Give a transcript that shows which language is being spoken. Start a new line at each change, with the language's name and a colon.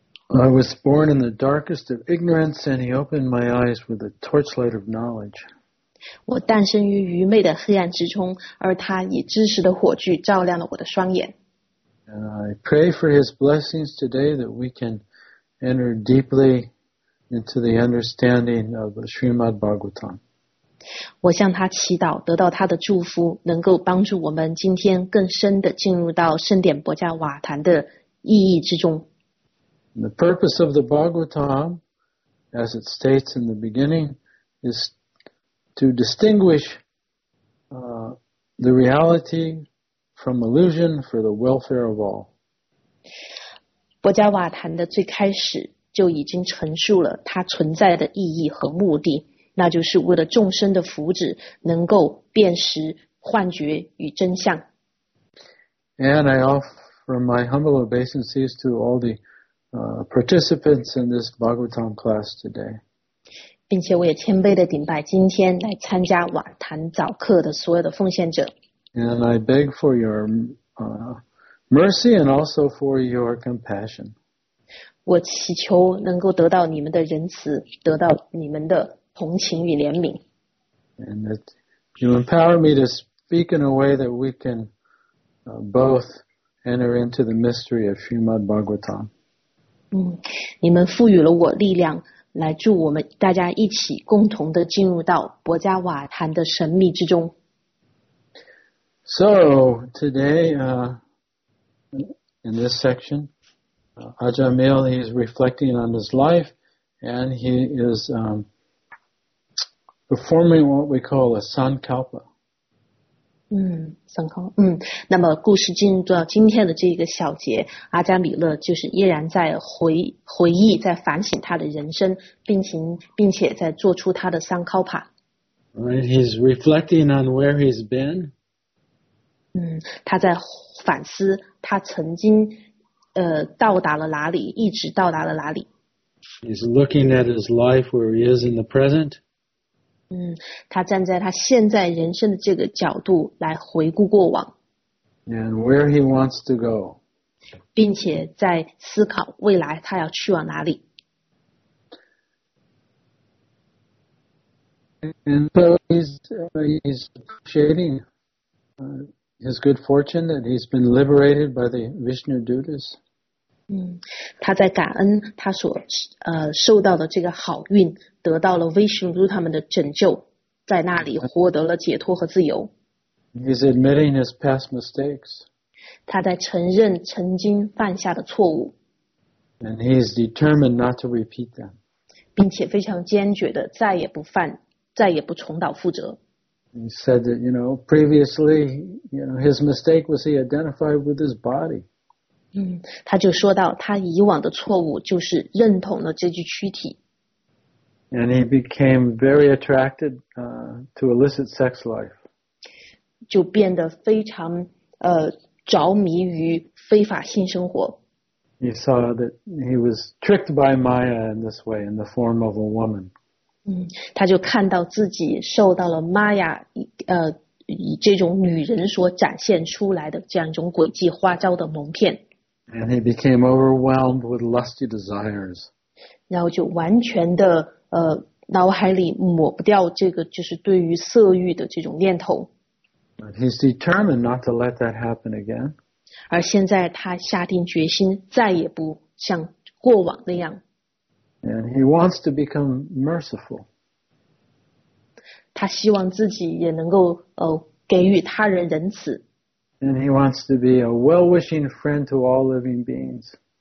English: I was born in the darkest of ignorance, and he opened my eyes with a torchlight of knowledge.
Chinese: 我诞生于愚昧的黑暗之中，而他以知识的火炬照亮了我的双眼。
English: And I pray for his blessings today that we can enter deeply into the understanding of Srimad Bhagavatam.
Chinese: 我向他祈祷，得到他的祝福，能够帮助我们今天更深地进入到圣典博迦瓦坛的意义之中。
English: The purpose of the Bhagavatam, as it states in the beginning, is to distinguish, the reality from illusion for the welfare of all.
Chinese: 博迦瓦坛的最开始就已经陈述了它存在的意义和目的，那就是为了众生的福祉，能够辨识幻觉与真相。
English: And I offer my humble obeisances to all the participants in this Bhagavatam class today.
Chinese: 并且我也谦卑地顶拜今天来参加瓦坛早课的所有的奉献者。
English: And I beg for your mercy and also for your compassion. 我祈求能够得到你们的仁慈，得到你们的同情与怜悯。 And that you empower me to speak in a way that we can both enter into the mystery of Srimad Bhagavatam.
Chinese: 你们赋予了我力量，来助我们大家一起共同的进入到博加瓦坛的神秘之中。
English: So today, in this section, Ajamil is reflecting on his life, and he is performing what we call a sankalpa.
Chinese: 那么故事进入到今天的这个小节，阿加米勒就是依然在回忆，在反省他的人生，并且在做出他的sankalpa。
English: He's reflecting on where he's been.
Chinese: 他在反思他曾经到达了哪里，一直到达了哪里。
English: He's looking at his life where he is in the present.
Chinese: 他站在他现在人生的这个角度来回顾过往。
English: And where he wants to go.
Chinese: 并且在思考未来他要去往哪里。
English: And so he's appreciating his good fortune that he's been liberated by the Vishnu Dutas.
Chinese: 他在感恩他所受到的这个好运，得到了 Vishnu 他们的拯救，在那里获得了解脱和自由。
English: He's admitting his past mistakes.
Chinese: 他在承认曾经犯下的错误。
English: And he's determined not to repeat them.
Chinese: 并且非常坚决的再也不重蹈覆辙。
English: He said that, you know, previously, you know, his mistake was he identified with his body.
Chinese: 他就说到他以往的错误就是认同了这具躯体。
English: And he became very attracted, to illicit sex life.
Chinese: 就变得非常着迷于非法性生活。
English: He saw that he was tricked by Maya in this way, in the form of a woman.
Chinese: 他就看到自己受到了 Maya, 以这种女人所展现出来的这样一种诡计花招的蒙骗。
English: And he became overwhelmed with lusty desires.
Chinese: 然后就完全的脑海里抹不掉这个就是对于色欲的这种念头。
English: But he's determined not to let that happen again.
Chinese: 而现在他下定决心再也不像过往那样。
English: And he wants to become merciful.
Chinese: 他希望自己也能够给予他人仁慈。
English: And he wants to be a well-wishing friend to all living beings.